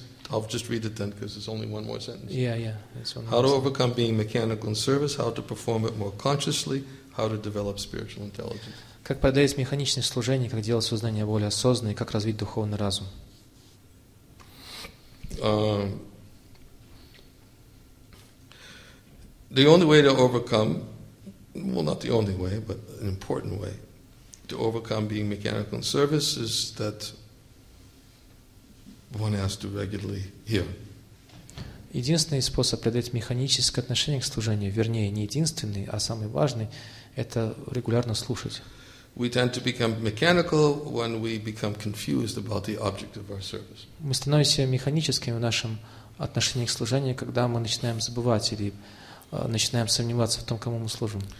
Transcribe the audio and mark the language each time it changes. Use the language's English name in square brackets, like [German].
[English] I'll just read it then, because it's only one more sentence. Yeah. How to overcome being mechanical in service? How to perform it more consciously? How to develop spiritual intelligence? [Russian] Как преодолеть механическое служение, как делать сознание более осознанно, и как развить духовный разум? [English] The only way to overcome, well, not the only way, but an important way to overcome being mechanical in service is that one has to regularly hear. [Russian] Единственный способ преодолеть механическое отношение к служению, вернее, не единственный, а самый важный, это регулярно слушать. [English] We tend to become mechanical when we become confused about the object of our service. [Russian] Мы становимся механическими в нашем отношении к служению, когда мы начинаем забывать или начинаем сомневаться в том, кому мы служим.